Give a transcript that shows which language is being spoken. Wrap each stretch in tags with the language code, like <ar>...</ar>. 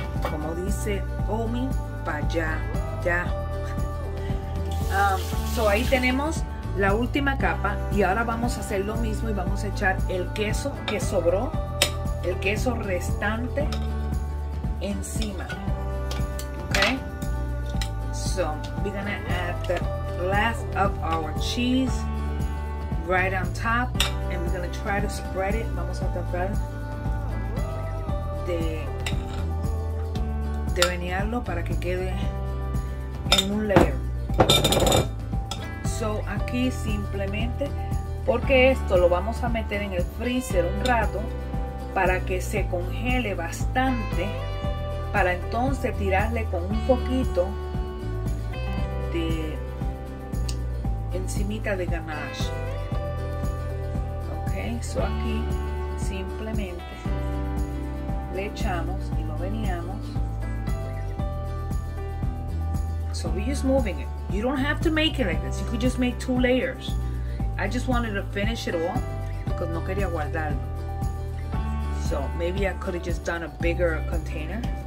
<es>Como dice Omi, para allá, ya. So ahí tenemos la última capa. Y ahora vamos a hacer lo mismo y vamos a echar el queso que sobró, el queso restante, encima.</es> <en>Okay? So we're gonna add the last of our cheese right on top, and we're gonna try to spread it.</en> <es>Vamos a tratar de venearlo para que quede en un layer. So aquí simplemente, porque esto lo vamos a meter en el freezer un rato para que se congele bastante, para entonces tirarle con un poquito de encimita de ganache. Eso aquí simplemente le echamos y lo veníamos.</es> <en>So we're just moving it. You don't have to make it like this. You could just make two layers. I just wanted to finish it all because no quería guardarlo. So maybe I could have just done a bigger container.</en>